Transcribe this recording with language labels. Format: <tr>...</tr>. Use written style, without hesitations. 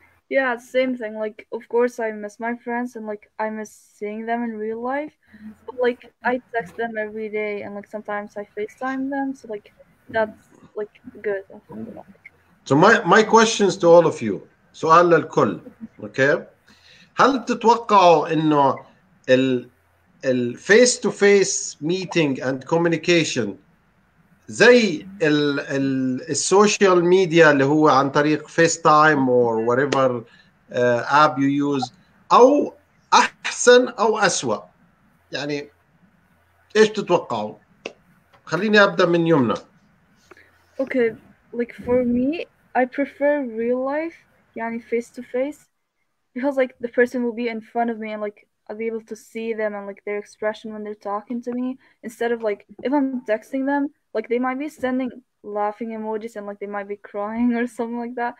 <en>Yeah, same thing. Like, of course, I miss my friends and like I miss seeing them in real life. But like, I text them every day and like sometimes I FaceTime them. So like, that's like good. So my question is to all of you.</en> <ar>سؤال للكل. Okay. هل تتوقعوا إنه ال</ar> <en>face to face meeting and communication</en> <ar>زي السوشيال ميديا اللي هو عن طريق فيس تايم</ar> <en>or whatever app you use</en> <ar>او احسن او اسوأ؟ يعني ايش تتوقعوا؟ خليني ابدا من يمنى.</ar> <en>Okay, like for me I prefer real life, يعني face to face, because like the person will be in front of me and like I'll be able to see them and like their expression when they're talking to me, instead of like if I'm texting them, like they might be sending laughing emojis and like they might be crying or something like that.</en>